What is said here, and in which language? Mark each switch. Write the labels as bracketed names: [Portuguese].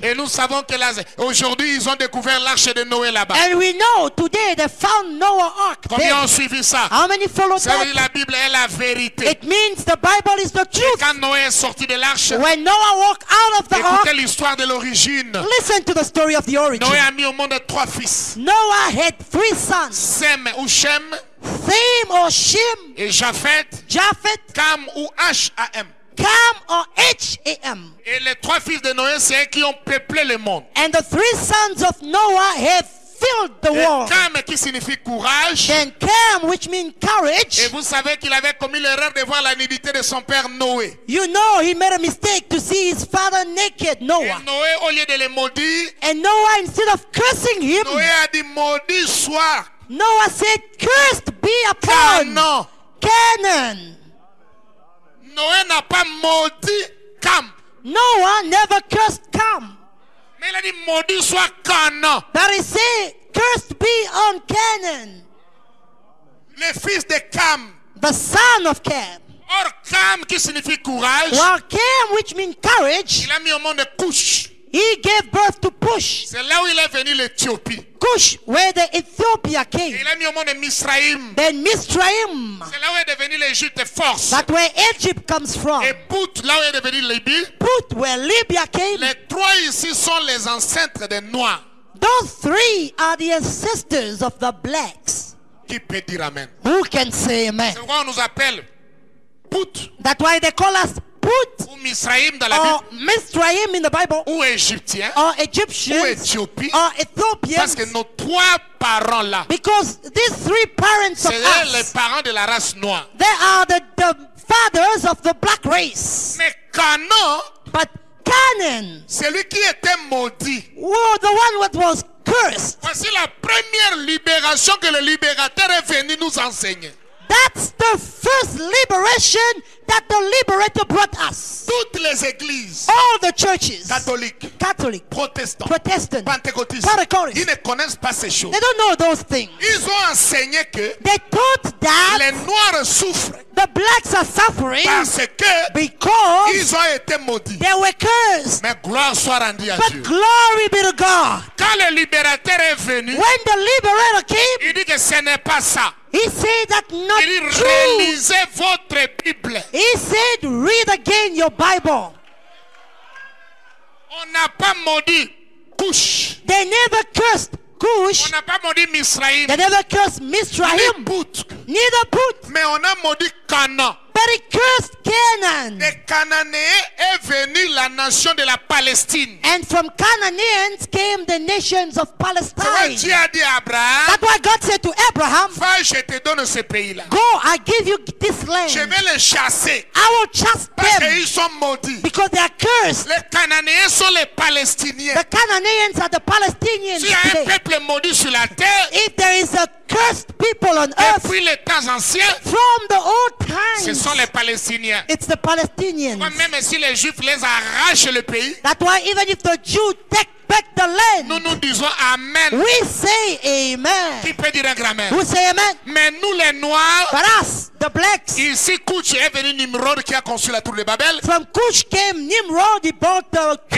[French] Et nous savons que là, aujourd'hui, ils ont découvert l'arche de Noé là-bas. [English] And we know today they found Noah ark. [French] Combien ont suivi ça? [English] How many followed that? [French] C'est la Bible est la vérité. [English] It means the Bible is the truth. [French] Quand Noé est sorti de l'arche, [English] when Noah walked out of the ark, [French] écoutez l'histoire de l'origine. [English] Listen to the story of the origin. [French] Noé a mis au monde trois fils. [English] Noah had three sons. [French] Sem ou Shem. [English] Sem or Shem. [French] Et Japheth. [English] Japheth. [French] Cam ou Ham. [English] Cam or Ham. [French] Et les trois fils de Noé, c'est eux qui ont peuplé le monde. [English] And the three sons of Noah have filled the world. [French] Et Cam, qui signifie courage. [English] And Cam, which means courage. [French] Et vous savez qu'il avait commis l'erreur de voir la nudité de son père Noé. [English] You know he made a mistake to see his father naked, Noah. [French] Et Noé, au lieu de le maudire. [English] And Noah, instead of cursing him. [French] Noé a dit maudit soit. [English] Noah said, cursed be upon. [French] Canon. [English] Canon. [French] Noé n'a pas maudit Cam. [English] Noah never cursed Cam. [French] Mais il a dit maudit soit Canaan. [English] But he said, cursed be on Canaan. [French] Le fils de Cam. [English] The son of Cam. [French] Or Cam qui signifie courage. [English] While Cam which means courage. [French] Il a mis au monde Cush. [English] He gave birth to Cush. [French] C'est là où il est venu l'Éthiopie. [English] Cush where the Ethiopia came. [French] Et il a mis au monde Misraim. [English] Then Misraim. [French] C'est là où est devenu l'Égypte force. [English] That where Egypt comes from. [French] Et Put là où est devenu Libye. [English] Put where Libya came. [French] Les trois ici sont les ancêtres des Noirs. [English] Those three are the ancestors of the blacks. [French] Qui peut dire amen? [English] Who can say amen? [French] C'est pourquoi on nous appelle Put. [English] That why they call us Put. [French] Ou Misraim dans la [English] or [French] Bible. [English] Misraim in the Bible. [French] Ou Égyptien. [English] Or Egyptians. [French] Ou Éthiopie. [English] Or Ethiopians. [French] Parce que nos trois parents là. [English] Because these three parents of [French] c'est [English] us. [French] Les parents de la race noire. [English] They are the fathers of the black race. [French] Mais Canaan. [English] But Canaan. [French] Celui qui était maudit. [English] Well, the one that was cursed. [French] Voici la première libération que le libérateur est venu nous enseigner. [English] That's the first liberation that the liberator brought us. [French] Toutes les églises, [English] all the churches, Catholic, Protestant, [French] Pentecôtistes, Pentecôtistes, ils ne connaissent pas ces choses. [English] They don't know those things. [French] Ils ont enseigné que [English] they taught that [French] les noirs souffrent. [English] The blacks are suffering [French] parce que [English] because [French] ils ont été maudits. [English] They were cursed. [French] Mais gloire soit rendue à [English] but [French] Dieu. [English] Glory be to God. [French] Quand le libérateur est venu, [English] when the liberator came, [French] il dit que ce n'est pas ça. [English] He said that not [French] il dit, [English] true. [French] Relisez votre Bible. [English] He said, read again your Bible. [French] On n'a pas maudit Cush. [English] They never cursed Cush. [French] On n'a pas maudit Misraim. [English] They never cursed Misraim. [French] Ni Put. [English] Neither Put. [French] Mais on a maudit Canaan. [English] But he cursed Canaan. [French] Les Cananéens est venu la nation de la Palestine. [English] And from Canaanites came the nations of Palestine. [French] C'est ce que Dieu a dit à Abraham. [English] That's why God said to Abraham. [French] Va, je te donne ce pays-là. [English] Go, I give you this land. [French] Je vais les chasser. [English] I will chase [French] parce [English] them. [French] Parce qu'ils sont maudits. [English] Because they are cursed. [French] Les Cananéens sont les Palestiniens. [English] The Canaanites are the Palestinians. [French] Si y a un peuple maudit sur la terre. [English] If there is a cursed people on earth. [French] Depuis les temps anciens. [English] From the old times. [French] Ce sont les Palestiniens. [English] It's the Palestinians. [French] Même si les Juifs les arrachent le pays. [English] That's why even if the Jews take back the land. [French] Nous nous disons amen. [English] We say amen. [French] Qui peut dire un grand amen? [English] We say amen. [French] Mais nous les Noirs. [English] But us, the blacks. [French] Ici, Kouch est venu Nimrod qui a construit la tour de Babel. [English] From Kouch came Nimrod, he built the tower.